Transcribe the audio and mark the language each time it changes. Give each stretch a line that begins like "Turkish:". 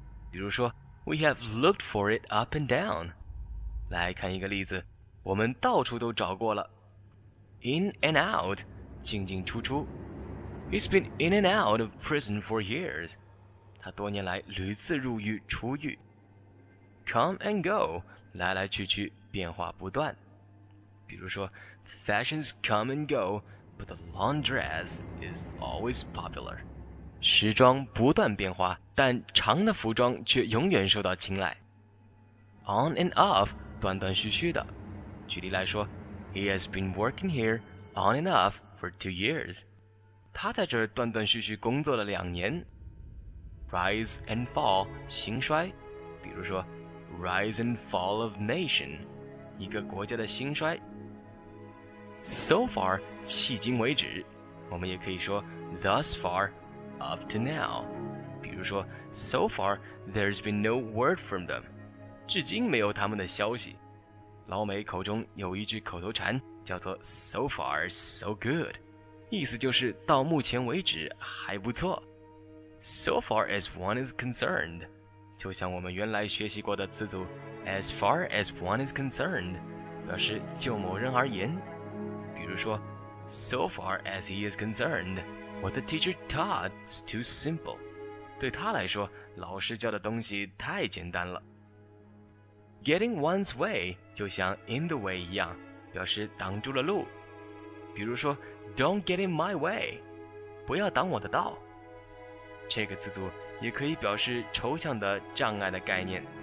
Chinese: 比如说
English: we have looked for it up and down。
Chinese: 来看一个例子，我们到处都找过了。
English: in and out，
Chinese: 进进出出。
English: he's been in and out of prison for years，
Chinese: 他多年来屡次入狱出狱。
English: come and go，
Chinese: 来来去去，变化不断。比如说
English: fashions come and goBut the long dress is always popular.
Chinese: 时装不断变化，但长的服装却永远受到青睐。
English: On and off,
Chinese: 断断续续的。举例来说，
English: He has been working here on and off for 2 years.
Chinese: 他在这儿断断续续工作了两年。
English: Rise and fall,
Chinese: 兴衰。比如说，
English: Rise and fall of nation,
Chinese: 一个国家的兴衰。So far, 迄今为止，我们也可以说
English: thus far, up to now.
Chinese: 比如说
English: so far, there's been no word from them.
Chinese: 至今没有他们的消息。老美口中有一句口头禅叫做
English: so far, so good.
Chinese: 意思就是到目前为止还不错。
English: So far as one is concerned.
Chinese: 就像我们原来学习过的词组
English: as far as one is concerned,
Chinese: 表示就某人而言。比如说
English: So far as he is concerned, what the teacher taught is too simple.
Chinese: 对他来说，老师教的东西太简单了。
English: Getting one's way
Chinese: 就像
English: in the way
Chinese: 一样，表示挡住了路。比如说
English: Don't get in my way,
Chinese: 不要挡我的道。这个词组也可以表示抽象的障碍的概念。